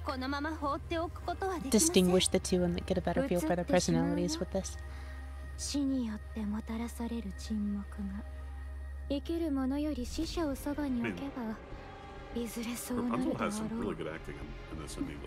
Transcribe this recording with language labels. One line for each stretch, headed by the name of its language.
Japanese: このまま放っておくことはできません。
English: Distinguish the two and get a better feel for their personalities with this.
Japanese: 死によってもたらされる沈黙が生きる者より死者をそばに置けば、いずれそうなるだろう。